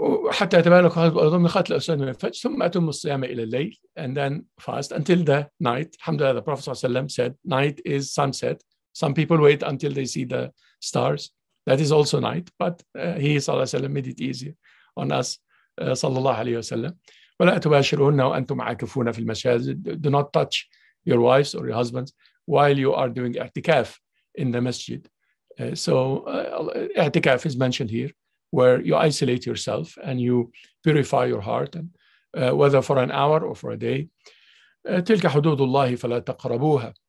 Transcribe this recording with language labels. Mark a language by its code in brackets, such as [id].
[ar] حتى يتبين لكم الخيط الأبيض من خيط الأسود من الفجر ثم أتم الصيام إلى الليل [en] and then fast until the night. Alhamdulillah, the Prophet ﷺ said night is sunset. Some people wait until they see the stars. That is also night, but he صلى الله عليه وسلم made it easier on us صلى الله عليه وسلم. [ar] ولا تباشرون وأنتم عاكفون في المساجد. [en] Do not touch your wives or your husbands while you are doing اعتكاف in the masjid. So اعتكاف is mentioned here, where you isolate yourself and you purify your heart, and whether for an hour or for a day. [ar] تِلْكَ حُدُودُ اللَّهِ فَلَا تَقْرَبُوهَا.